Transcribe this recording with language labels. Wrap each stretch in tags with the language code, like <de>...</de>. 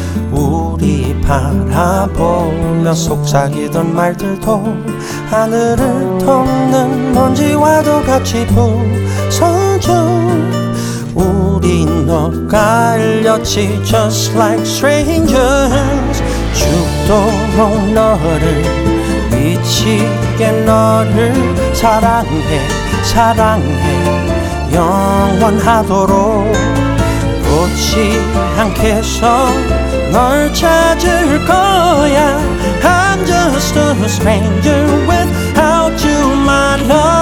<ko>우리 바라보며 속삭이던 말들도 하늘을 덮는 먼지와도 같이 부서져. 우린 엇갈렸지</ko> <en>just like strangers.</en> <ko>죽도록 너를 미치게 너를 사랑해 사랑해 영원하도록. 꽃이 향해서 널 찾을 거야.</ko> <en>I'm just a stranger without you, my love.</en>